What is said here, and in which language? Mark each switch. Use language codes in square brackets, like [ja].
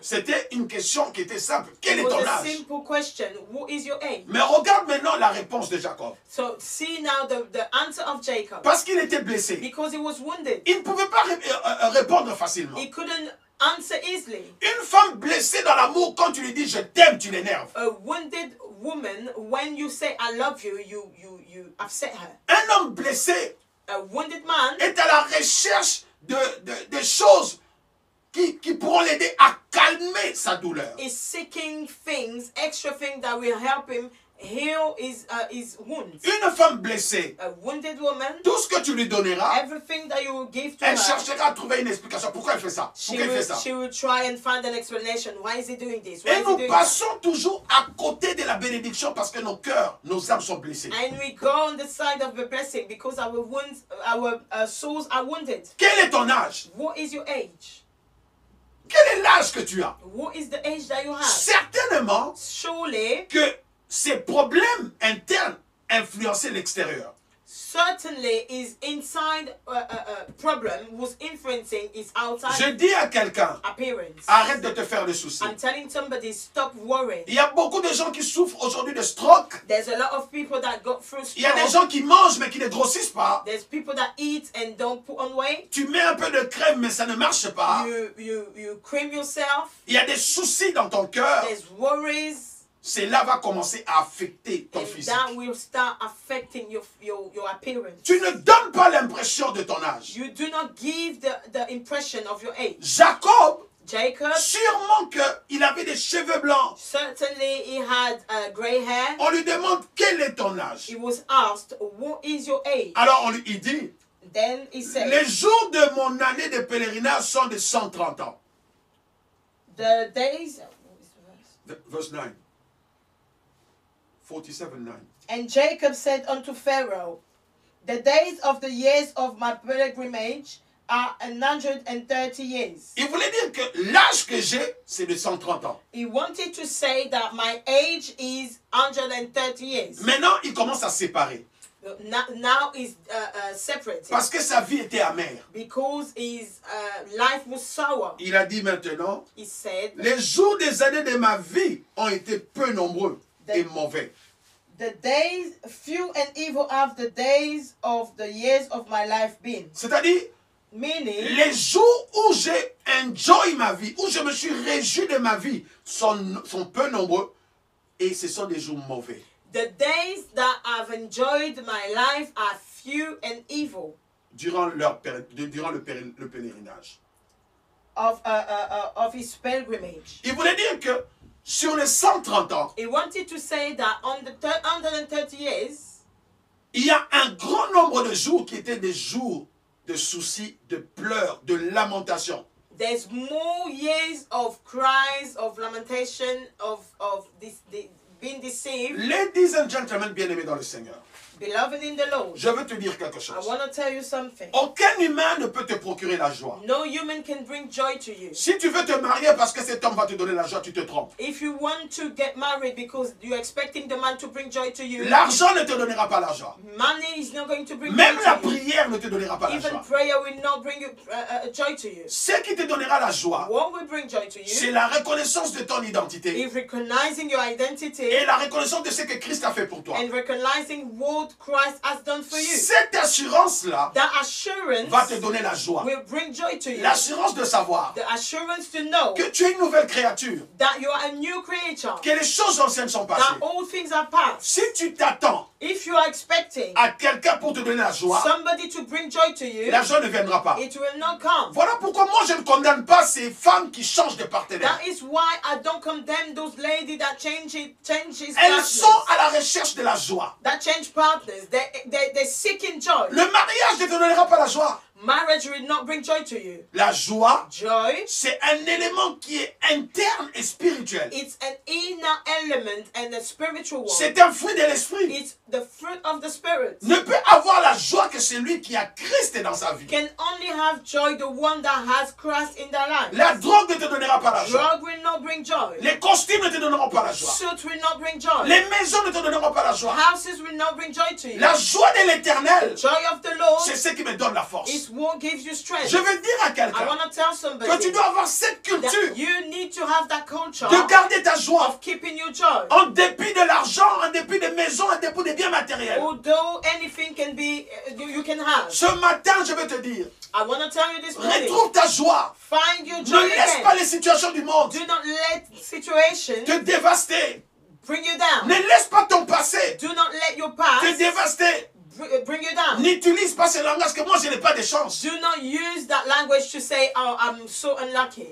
[fr] C'était une question qui était simple. Quel est ton âge? [en] A simple question. What is your age? [fr] Mais regarde maintenant la réponse de Jacob. [en] So see now the answer of Jacob. [fr] Parce qu'il était blessé. [en] Because he was wounded. [fr] Il ne pouvait pas répondre facilement. [en] He couldn't answer easily. [fr] Une femme blessée dans l'amour, quand tu lui dis je t'aime, tu l'énerves. [en] A wounded woman, when you say I love you, you upset her. [fr] Un homme blessé. [en] A wounded man [fr] est à la recherche de choses qui pourront l'aider à calmer sa douleur. [en] Is seeking things, extra things that will help him heal his wounds. [fr] Une femme blessée, [en] a wounded woman, [fr] tout ce que tu lui donneras, [en] everything that you will give to [fr] elle [en] her, [fr] cherchera à trouver une explication. Pourquoi elle fait ça? [en] She will try and find an explanation. Why is he doing this? [fr] Et nous passons toujours à côté de la bénédiction parce que nos cœurs, nos âmes sont blessées. [en] And we go on the side of the blessing because our wounds, our souls are wounded. [fr] Quel est ton âge? [en] What is your age? [fr] Quel est l'âge que tu as? [en] What is the age that you have? [fr] Certainement, [en] surely, [fr] que ces problèmes internes influençaient l'extérieur. [en] Certainly, his inside problem was influencing his outside. [fr] Je dis à quelqu'un, [en] appearance. [fr] Arrête de te faire des soucis. [en] I'm telling somebody, stop worrying. [fr] Il y a beaucoup de gens qui souffrent aujourd'hui de stroke. [en] There's a lot of people that got through stroke. [fr] Il y a des gens qui mangent mais qui ne grossissent pas. [en] There's people that eat and don't put on weight. [fr] Tu mets un peu de crème mais ça ne marche pas. [en] You cream yourself. [fr] Il y a des soucis dans ton cœur. [en] There's worries. [fr] Cela va commencer à affecter ton physique. [en] That will start affecting your appearance. [fr] Tu ne donnes pas l'impression de ton âge. [en] You do not give the impression of your age. [fr] Jacob, sûrement que il avait des cheveux blancs. [en] Certainly he had a gray hair. [fr] On lui demande quel est ton âge. [en] He was asked what is your age. [fr] Alors on lui il dit. [en] Then he said. [fr] Les jours de mon année de pèlerinage sont de 130 ans. [en] The days. Verse 9. 47:9. And Jacob said unto Pharaoh, the days of the years of my pilgrimage are 130 years. [fr] Il voulait dire que l'âge que j'ai, c'est de 130 ans. [en] He wanted to say that my age is 130 years. [fr] Maintenant, il commence à séparer. [en] Now is separated. [fr] Parce que sa vie était amère. [en] Because his life was sour. [fr] Il a dit maintenant. [en] He said. [fr] Les jours des années de ma vie ont été peu nombreux et mauvais. [en] The days few and evil have the days of the years of my life been. [fr] C'est-à-dire. [en] Meaning. [fr] Les jours où j'ai enjoy ma vie, où je me suis réjoui de ma vie, sont peu nombreux et ce sont des jours mauvais. [en] The days that I've enjoyed my life are few and evil. [fr] Durant le pèlerinage. [en] Of his pilgrimage. [fr] Il voulait dire que sur les 130 ans. [en] He wanted to say that on the 130 years. [fr] Il y a un grand nombre de jours qui étaient des jours de soucis, de pleurs, de lamentations. [en] There's more years of cries, of lamentation, of this. Been deceived. Ladies and gentlemen, [fr] bien-aimés dans le Seigneur. [en] Beloved in the Lord. [fr] Je veux te dire quelque chose. [en] I want to tell you something. [fr] Aucun humain ne peut te procurer la joie. [en] No human can bring joy to you. [fr] Si tu veux te marier parce que cet homme va te donner la joie, tu te trompes. [en] If you want to get married because you're expecting the man to bring joy to you. [fr] L'argent ne te donnera pas la joie. [en] Money is not going to bring [fr] même [en] joy. [fr] Même la prière ne te donnera pas [en] even [fr] la joie. [en] Even prayer will not bring you, joy to you. [fr] Ce qui te donnera la joie. [en] What will bring joy to you? [fr] C'est la reconnaissance de ton identité. [en] If recognizing your identity. [fr] Et la reconnaissance de ce que Christ a fait pour toi. [en] And recognizing what Christ has done for you. [fr] Cette assurance là, [en] that assurance [fr] va te donner la joie. [en] Will bring joy to you. [fr] L'assurance de savoir, [en] the assurance to know [fr] que tu es une nouvelle créature, [en] that you are a new creature, [fr] que les choses anciennes sont passées, [en] that all things are past. [fr] Si tu t'attends, [en] if you are expecting [fr] à quelqu'un pour te donner la joie, [en] somebody to bring joy to you, [fr] la joie ne viendra pas. [en] It will not come. [fr] Voilà pourquoi moi je ne condamne pas ces femmes qui changent de partenaire. [en] That is why I don't condemn those ladies that changes. [fr] Elles sont à la recherche de la joie. [en] That change part. They're seeking joy. [fr] Le mariage ne te donnera pas la joie. [en] Marriage will not bring joy to you. [fr] La joie, [en] joy, [fr] c'est un élément qui est interne et spirituel. [en] It's an inner element and a spiritual one. [fr] C'est un fruit de l'esprit. [en] It's the fruit of the spirit. [fr] Ne peut avoir la joie que celui qui a Christ dans sa vie. [en] Can only have joy the one that has Christ in their life. [fr] La drogue ne te donnera pas la joie. [en] Drug will not bring joy. [fr] Les costumes ne te donneront pas la joie. [en] Suit will not bring joy. [fr] Les maisons ne te donneront pas la joie. [en] Houses will not bring joy to you. [fr] La joie de l'Éternel, [en] joy of the Lord, [fr] c'est ce qui me donne la force. [en] What gives you strength. [fr] Je veux dire à quelqu'un, [en] I want to tell somebody, [fr] que tu dois avoir cette culture, [en] you need to have that culture, [fr] de garder ta joie, [en] of keeping your joy, [fr] en dépit de l'argent, en dépit des maisons, en dépit des biens matériels. [en] Although anything can be, you can have. [fr] Ce matin, je veux te dire, [en] I want to tell you this morning, [fr] retrouve ta joie. [en] Find your joy. [fr] Ne laisse [en] again. [fr] Pas les situations du monde, [en] do not let situations [fr] te dévaster, [en] bring you down. [fr] Ne laisse pas ton passé, [en] do not let your past [fr] te dévaster. [en] Bring you down. [fr] N'utilise pas ce langage que moi je n'ai pas de chance. [en] Do not use that language to say, oh, I'm so unlucky.